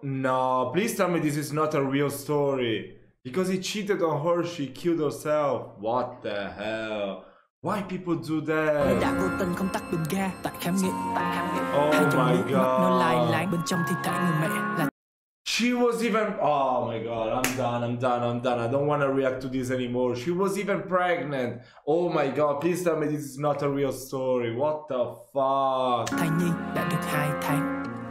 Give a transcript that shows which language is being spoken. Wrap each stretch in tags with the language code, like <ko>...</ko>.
<en>No, please tell me this is not a real story. Because he cheated on her, she killed herself. What the hell? Why people do that?</en> <vi>Người đã vô tình không tắt bình ga tại khám nghiệm.</vi> <en>Oh my god.</en> <vi>Nó lại lại bên trong thi thể người mẹ.</vi> <en>She was even. Oh my god, I'm done. I don't want to react to this anymore. She was even pregnant. Oh my god, please tell me this is not a real story. What the fuck?</en> <vi>Thai nhi đã được 2 tháng.</vi>